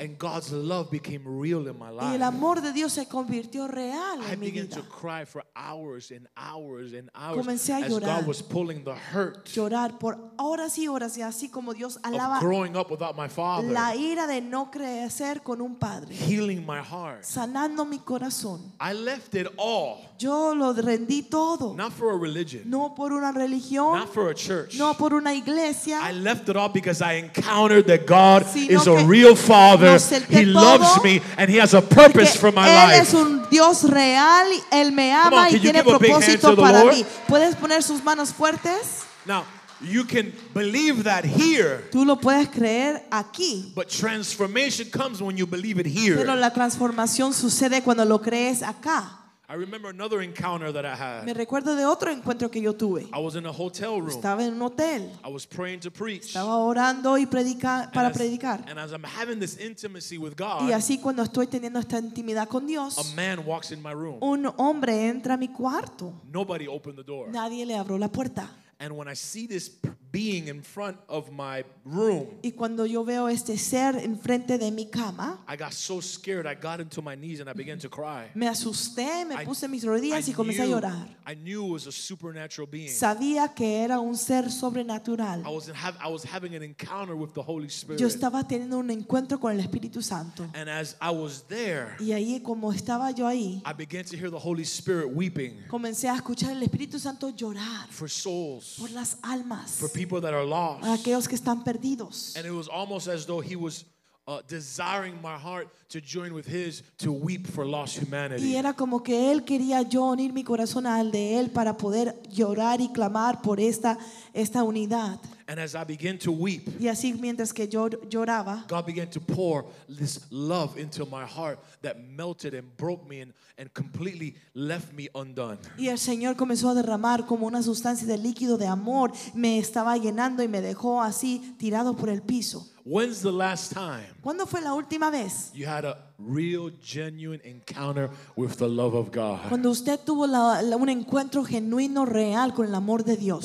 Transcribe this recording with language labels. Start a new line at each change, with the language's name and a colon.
English: And God's love became real in my life.
Spanish: Y el amor de Dios se convirtió real en mi vida.
English: I began to cry for hours and hours and hours.
Spanish: Comencé a
English: as
Spanish: llorar,
English: God was pulling the hurt
Spanish: llorar por horas y horas, y así como Dios alaba
English: of growing up without my father.
Spanish: La ira de no crecer con un padre.
English: Healing my heart.
Spanish: Sanando mi corazón.
English: I left it all.
Spanish: Yo lo rendí todo.
English: Not for a religion.
Spanish: No por una religión.
English: Not for a church.
Spanish: No por una iglesia.
English: I left it all because I encountered that God is a real father. He loves me and he has a purpose for my life.
Spanish: Él es un Dios real, él me ama y tiene propósito para mí. ¿Puedes poner sus manos fuertes?
English: Now, you can believe that here.
Spanish: Tú lo puedes creer aquí.
English: But transformation comes when you believe it here.
Spanish: Pero la transformación sucede cuando lo crees acá.
English: I remember another encounter that I had.
Spanish: Me recuerdo de otro encuentro que yo tuve.
English: I was in a hotel room.
Spanish: Estaba en un hotel.
English: I was praying to preach.
Spanish: Estaba orando y predicar.
English: And as I'm having this intimacy with God,
Spanish: y así cuando estoy teniendo esta intimidad con Dios,
English: a man walks in my room.
Spanish: Un hombre entra a mi cuarto.
English: Nobody opened the door.
Spanish: Nadie le abrió la puerta.
English: And when I see this being in front of my room,
Spanish: y cuando yo veo este ser enfrente de mi cama,
English: I got so scared. I got into my knees and I began to cry.
Spanish: Me asusté, me puse mis rodillas y comencé a llorar.
English: I knew it was a supernatural being.
Spanish: Sabía que era un ser sobrenatural.
English: I was having an encounter with the Holy Spirit.
Spanish: Yo estaba teniendo un encuentro con el Espíritu Santo.
English: And as I was there,
Spanish: y ahí como estaba yo ahí,
English: I began to hear the Holy Spirit weeping.
Spanish: Comencé a escuchar el Espíritu Santo llorar.
English: For souls.
Spanish: Por las almas.
English: For people that are lost.
Spanish: Aquellos que están perdidos.
English: And it was almost as though he was desiring my heart to join with his to weep for lost humanity.
Spanish: Y era como que él quería yo unir mi corazón al de él para poder llorar y clamar por esta unidad.
English: And as I began to weep,
Spanish: y así mientras que yo lloraba,
English: God began to pour this love into my heart that melted and broke me and completely left me undone.
Spanish: Y el Señor comenzó a derramar como una sustancia de líquido de amor, me estaba llenando y me dejó así tirado por el piso.
English: When's the last time?
Spanish: ¿Cuándo fue la última vez?
English: You had a real, genuine encounter with the love of God.
Spanish: Cuando usted tuvo un encuentro genuino, real con el amor de Dios.